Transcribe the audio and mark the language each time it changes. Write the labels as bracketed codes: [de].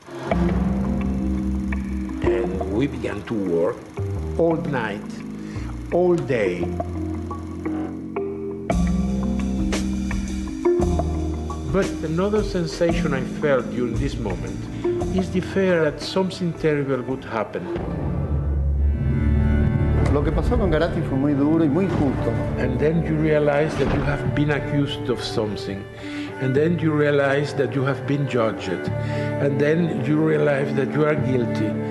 [en] And we began to work all night, all day. But another sensation I felt during this moment is the fear that something terrible would happen. [es] Lo que pasó con Garatti fue muy duro y muy injusto. [en] And then you realize that you have been accused of something. And then you realize that you have been judged. And then you realize that you are guilty.